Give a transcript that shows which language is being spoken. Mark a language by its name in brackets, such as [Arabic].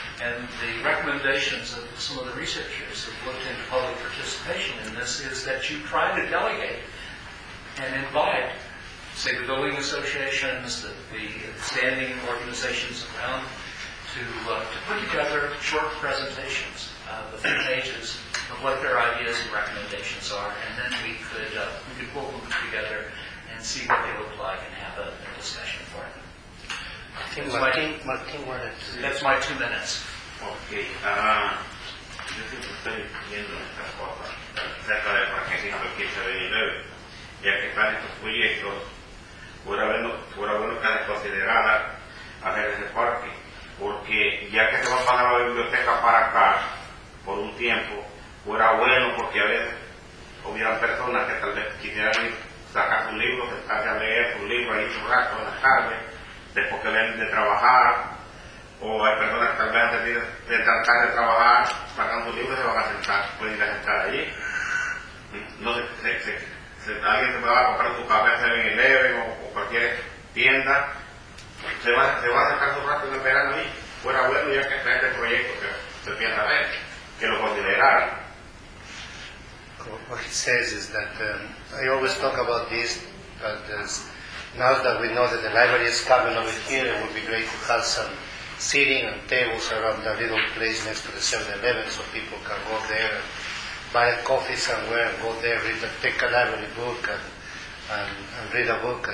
[English] And the recommendations of some of the researchers who have looked into public participation in this is that you try to delegate and invite, say, the building associations, the standing organizations around, to put together short presentations of a few pages of what their ideas and recommendations are, and then we could pull them together and see what they look like and have a discussion for them. Martin, that's my 2 minutes. Okay. [Spanish] Yo siempre estoy viendo estas cosas, acerca del Francisco 1519, ya que están estos proyectos, fuera bueno que las considerara hacer ese parque, porque ya que se va a pagar la biblioteca para acá por un tiempo, fuera bueno, porque a veces hubieran personas que tal vez quisieran ir, sacar su libro, sentarse a leer su libro ahí un rato en la tarde, después que vienen de trabajar, o hay personas que tal vez antes de tratar de trabajar, sacando libros se van a sentar, pueden ir a sentar allí. No sé, si alguien se va a comprar su café en el Eleven o cualquier tienda, se va a sacar su rato en el verano ahí, fuera bueno ya que está este proyecto que se piensa a ver, que lo consideraran. [English] What he says is that I always talk about this, but now that we know that the library is coming over here, it would be great to have some seating and tables around the little place next to the 7-Eleven so people can go there and buy a coffee somewhere and go there, take a library book and read a book.